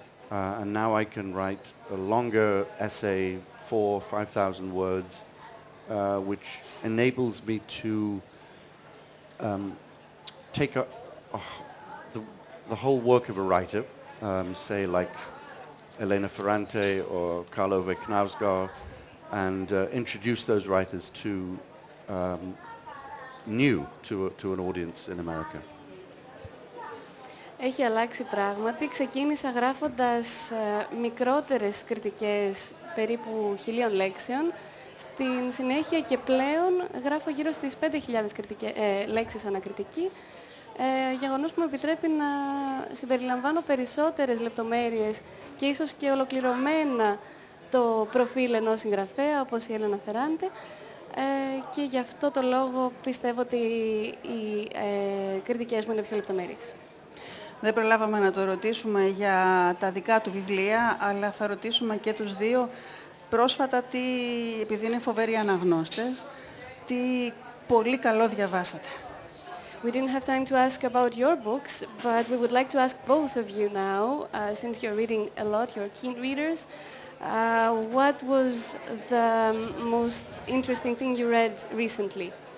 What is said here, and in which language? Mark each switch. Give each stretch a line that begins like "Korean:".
English: And now I can write a longer essay, 4,000 or 5,000 words, which enables me to take up the whole work of a writer, say like Elena Ferrante or Carlo V. Knausgård, and introduce those writers to to an audience in America.
Greek: Έχει αλλάξει πράγματι. Ξεκίνησα γράφοντας μικρότερες κριτικές περίπου 1,000 λέξεων. Στην συνέχεια και πλέον γράφω γύρω στις 5,000 λέξεις ανακριτική. Γεγονός που με επιτρέπει να συμπεριλαμβάνω περισσότερες λεπτομέρειες και ίσως και ολοκληρωμένα το προφίλ ενός συγγραφέα, όπως η Έλενα Φεράντε. Και γι' αυτό το λόγο πιστεύω ότι οι κριτικές μου είναι πιο λεπτομέρειες. Δεν προλάβαμε να το ρωτήσουμε για τα δικά του βιβλία, αλλά θα ρωτήσουμε και τους δύο πρόσφατα τι, επειδή είναι φοβεροί αναγνώστες, τι πολύ καλό διαβάσατε.
English: We didn't have time to ask about your books, but we would like to ask both of you now, since you're reading a lot, you're keen readers, what was the most interesting thing you read recently?